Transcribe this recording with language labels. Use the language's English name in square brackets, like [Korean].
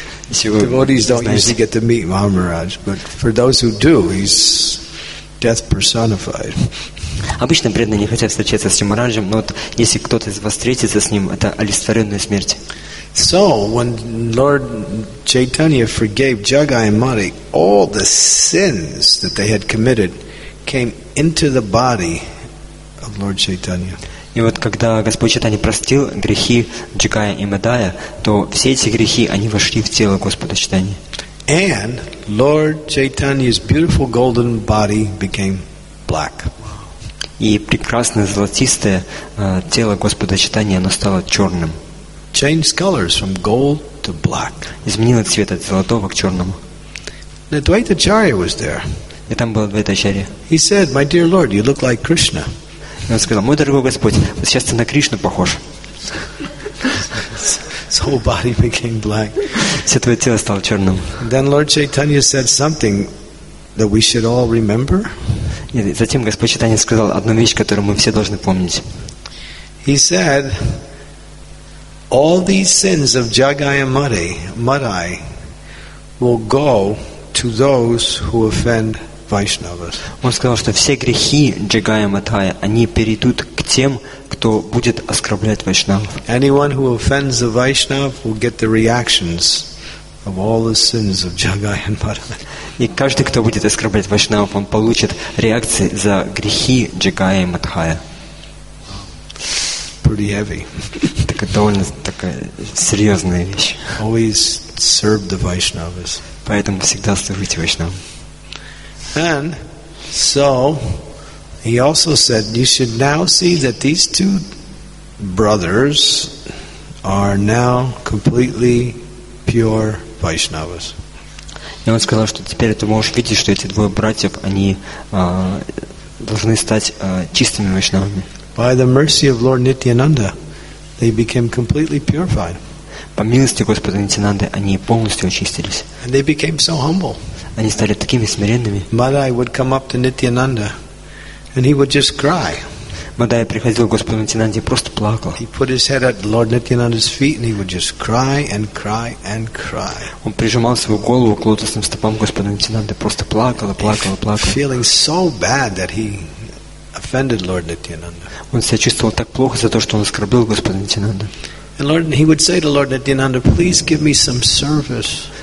[English] Devotees don't usually get to meet Yamaraj, but for those who do, he's death personified. [Russian] Обычно преданные не хотят встречаться с Yamarajем, но вот если кто-то из вас встретится с ним, это олицетворенная смерть. [English] So when Lord Chaitanya forgave Jagai and Madai, all the sins that they had committed came into the body of Lord Chaitanya. [Russian] И вот когда Господь Чайтанья простил грехи Джагая и Мадая, то все эти грехи они вошли в тело Господа Чайтаньи. [English] And Lord Chaitanya's beautiful golden body became black. [Russian] И прекрасное золотистое тело Господа Чайтаньи оно стало черным. [English] Changed colors from gold to black. [Russian] Изменило цвет от золотого к черному. [English] The Dvaitacharya was there. [Russian] И там был Дваитачарья. [English] He said, "My dear Lord, you look like Krishna." [Russian] И он сказал, мой дорогой Господь, вот сейчас ты на Кришну похож. [English] His whole body became black. [Russian] Все твое тело стало черным. [English] Then Lord Chaitanya said something that we should all remember. [Russian] И затем Господь Чайтанья сказал одну вещь, которую мы все должны помнить. [English] He said, all these sins of Jagaya Madai will go to those who offend Vaishnavas. [Russian] Он сказал, что все грехи Джагая Матая, они перейдут к тем, кто будет оскорблять Вайшнав. [English] Anyone who offends a Vaishnav will get the reactions of all the sins of Jagaya Madai. [Russian] И каждый, кто будет оскорблять Вайшнав, он получит реакции за грехи Джагая Матая. [English] Pretty heavy. [Russian] Такая довольно такая серьезная вещь. [English] Always serve the Vaishnavas. [Russian] Поэтому всегда служите Вайшнавам. [English] And so he also said, you should now see that these two brothers are now completely pure Vaishnavas. [Russian] И он сказал, что теперь ты можешь видеть, что эти двое братьев, они должны стать чистыми Вайшнавами. [English] By the mercy of Lord Nityananda, they became completely purified. [Russian] По милости Господа Нитянанды, они полностью очистились. [English] And they became so humble. [Russian] Они стали такими смиренными. [English] Madai would come up to Nityananda, and he would just cry. [Russian] Madai приходил к Господу Нитянанде и просто плакал. [English] He put his head at Lord Nityananda's feet, and he would just cry and cry and cry. [Russian] Он прижимал свою голову к лотосным стопам Господа Нитянанды, просто плакал, плакал, плакал. [English] Feeling so bad that he offended Lord Nityananda. [Russian] Он себя чувствовал так плохо за то, что он оскорбил Господа Нитянанду. [English] And Lord, he would say to Lord Nityananda, please give me some service.